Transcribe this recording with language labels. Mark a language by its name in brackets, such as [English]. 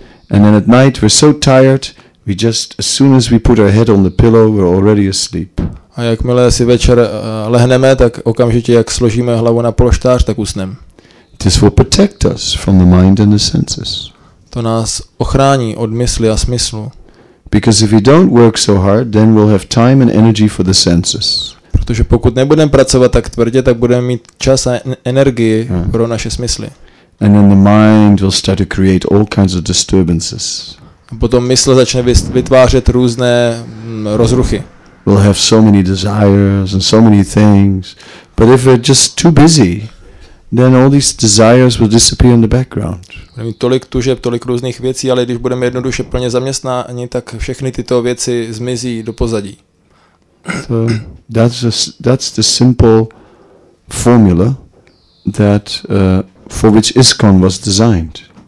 [English] And then at night we're so tired, we just as soon as we put our head on the pillow we're already asleep. [Czech] A jakmile si večer lehneme, tak okamžitě jak složíme hlavu na polštář, tak usneme. [English] This will protect us from the mind and the senses. [Czech] To nás ochrání od mysli a smyslu. [English] Because if we don't work so hard, then we'll have time and energy for the senses. [Czech] Protože pokud nebudeme pracovat tak tvrdě, tak budeme mít čas a energii pro naše smysly. [English] And then the mind will start to create all kinds of disturbances. [Czech] A potom mysl začne vytvářet různé rozruchy. [English] will have so many desires and so many things, but if we're just too busy, then all these desires will disappear in the background. [Czech] Budeme mít tolik tužeb, tolik různých věcí, ale když budeme jednoduše plně zaměstnáni, tak všechny tyto věci zmizí do pozadí. [English] So that's the simple formula that for which ISKCON was designed.